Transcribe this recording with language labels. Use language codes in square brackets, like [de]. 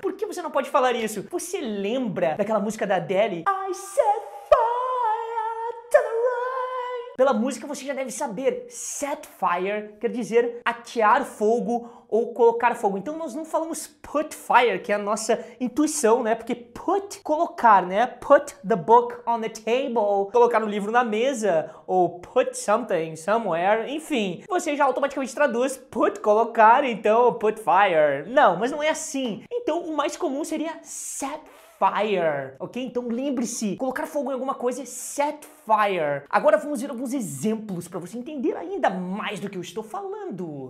[pt] Por que você não pode falar isso? Você lembra daquela música da Adele? [en] I set fire to the rain. [pt] Pela música você já deve saber, [en] set fire [pt] quer dizer atear fogo ou colocar fogo. Então nós não falamos [en] put fire, [pt] que é a nossa intuição, né? Porque put, colocar, né? [en] Put the book on the table. [pt] Colocar um livro na mesa. [en] Ou put something somewhere. [pt] Enfim, você já automaticamente traduz put, colocar, então [en] put fire. [pt] Não, mas não é assim. Então o mais comum seria [en] set fire, [pt] ok? Então lembre-se, colocar fogo em alguma coisa é [en] set fire. [pt] Agora vamos ver alguns exemplos para você entender ainda mais do que eu estou falando.